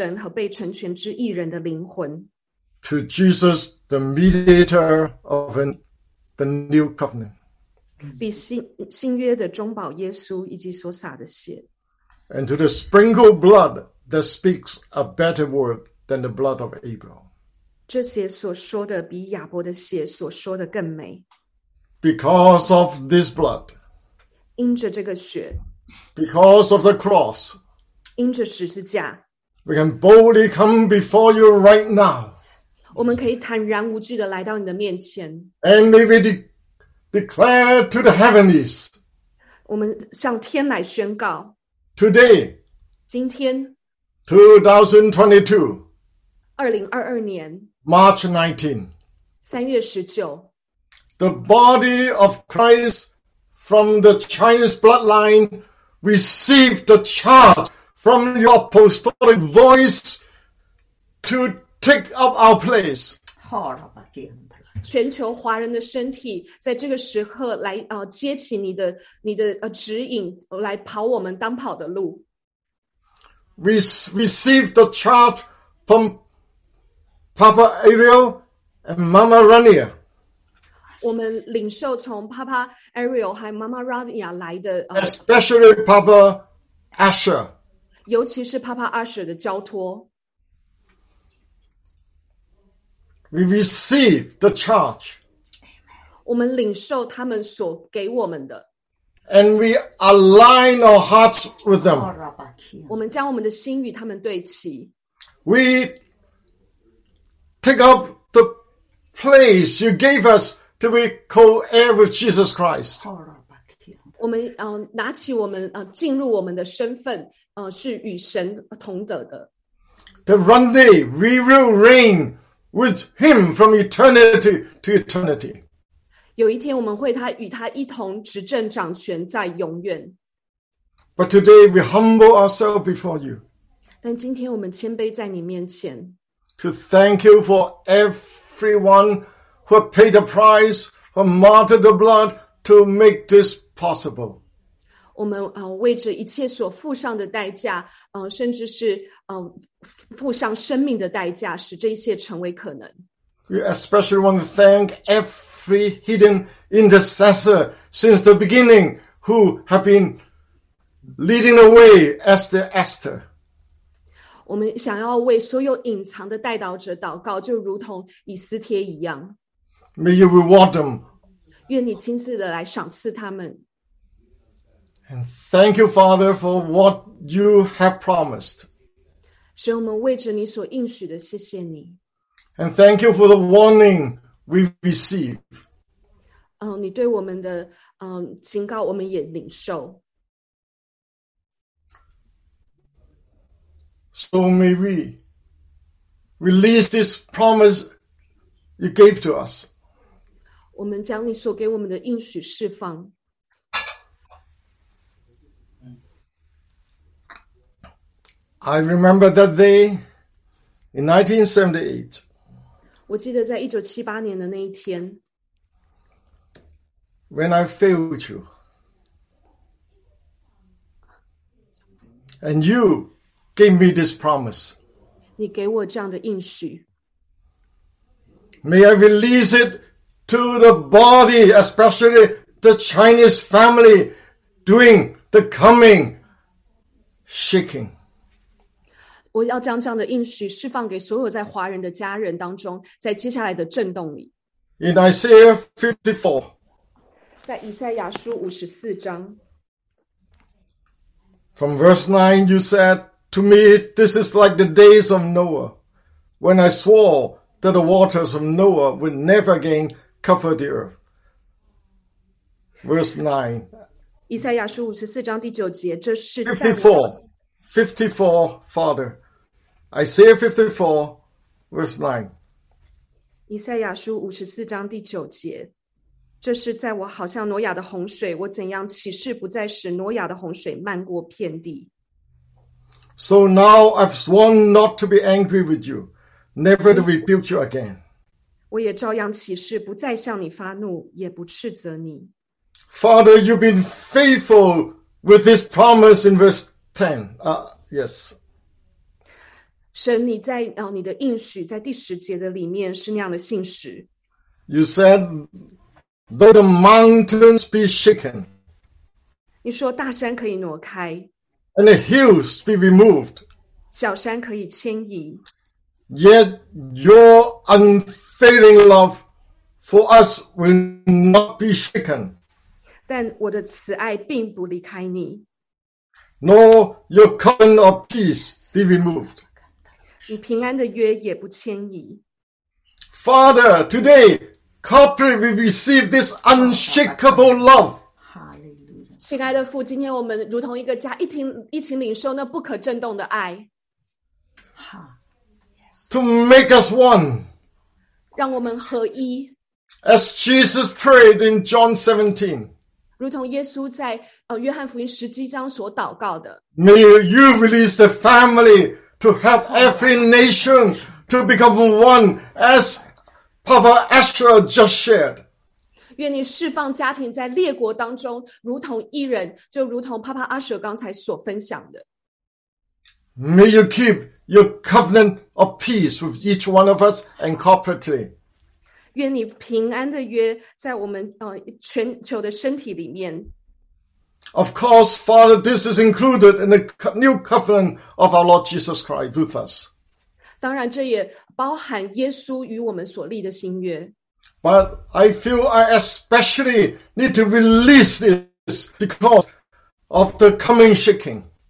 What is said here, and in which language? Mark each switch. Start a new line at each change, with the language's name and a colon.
Chinese: 有审判众人的神和被成全之义人的灵魂。
English: To Jesus, the mediator of the new covenant.
Chinese: 比新约的中保耶稣以及所洒的血,
English: and to the sprinkled blood that speaks a better word than the blood of Abel.
Chinese: 这血所说的比亚伯的血所说的更美。
English: Because of this blood,
Chinese: 因着这个血,
English: Because of the cross.
Chinese: 因着十字架。
English: We can boldly come before you right now.
Chinese: 我们可以坦然无惧地来到你的面前。
English: And may we declare to the heavenlies.
Chinese: 我们向天来宣告。
English: Today.
Chinese: 今天。
English: 2022.
Chinese: 2022年。
English: March 19.
Chinese: 3月19.
English: The body of Christ from the Chinese bloodline received the charge from your apostolic voice to take up our place.
Chinese: 全球华人的身体在这个时刻来、接起你的指引来跑我们当跑的路。
English: We received the charge from Papa Ariel and Mama Rania.
Chinese: 我们领受从 Papa Ariel 和 Mama Rania 来的、
English: Especially Papa Asher.
Chinese: 尤其是 Papa Asher 的交托。
English: We receive the charge.
Chinese: 我们领受他们所给我们的。
English: And we align our hearts with them.
Chinese: 我们将我们的心与他们对齐。
English: We take up the place you gave us to be co-heir with Jesus Christ.
Chinese: 我们、拿起我们、进入我们的身份、是与神同德的。
English: The one day we will reign with him from eternity to eternity.
Chinese: 有一天我们会与他一同执政掌权在永远。
English: But today we humble ourselves before you.
Chinese: 但今天我们谦卑在你面前。
English: To thank you for everyone who paid the price, who martyred the blood to make this possible.
Chinese: 我们、为着一切所付上的代价、甚至是、付上生命的代价使这一切成为可能。
English: We especially want to thank every hidden intercessor since the beginning who have been leading the way as the Esther.
Chinese: 我们想要为所有隐藏的代祷者祷告，就如同以斯帖一样。
English: May you reward them.
Chinese: 愿你亲自的来赏赐他们。
English: And thank you, Father, for what you have promised.
Chinese: 使我们为着你所应许的，谢谢你。
English: And thank you for the warning. We receive.
Chinese: 你对我们的、警告，我们也领受。
English: So may we release this promise you gave to us.
Chinese: 我们将你所给我们的应许释放。
English: I remember that day in 1978.
Chinese: 我记得在1978年的那一天
English: When I failed you and you gave me this promise
Chinese: 你给我这样的应许
English: May I release it to the body especially the Chinese family during the coming shaking
Chinese: 我要将这样的应许释放给所有在华人的家人当中，在接下来的震动里。
English: In Isaiah 54,
Chinese: 在以赛亚书54章
English: ，From verse 9, you said to me, "This is like the days of Noah, when I swore that the waters of Noah would never again cover the earth." Verse 9,
Chinese: 以赛亚书54章第九节，这是
English: 54, Father. Isaiah 54, verse 9.
Chinese: 以赛亚书54章第九节，这是在我好像挪亚的洪水，我怎样起誓不再使挪亚的洪水漫过遍地。
English: So now I've sworn not to be angry with you, never to rebuke you again.
Chinese: 我也照样起誓不再向你发怒，也不斥责你。
English: Father, you've been faithful with this promise in verse 10. Yes.
Chinese: 神你在、你的应许在第十节的里面是那样的信实。
English: You said, though the mountains be shaken,
Chinese: 你说大山可以挪开
English: and the hills be removed,
Chinese: 小山可以迁移
English: yet your unfailing love for us will not be shaken.
Chinese: 但我的慈爱并不离开你。
English: nor your covenant of peace be removed.
Chinese: 你平安的约也不迁移。
English: Father, today, corporate we receive this unshakable love.
Chinese: 亲爱的父，今天我们如同一个家，一起领受那不可震动的爱。
English: To make us one.
Chinese: 让我们合一。
English: As Jesus prayed in John 17.
Chinese: 如同耶稣在约翰福音十七章所祷告的。
English: May you release the family to help every nation to become one as Papa Asher just shared.
Chinese: 愿你释放家庭在列国当中如同一人，就如同 Papa Asher 刚才所分享的。
English: May you keep your covenant of peace with each one of us and corporately.
Chinese: 愿你平安的约在我们全球的身体里面。
English: Of course, Father, this is included in the new covenant of our Lord Jesus Christ with us.
Chinese: 当然这也包含耶稣与我们所立的新约。
English: But I feel I especially need to release this because of the coming shaking.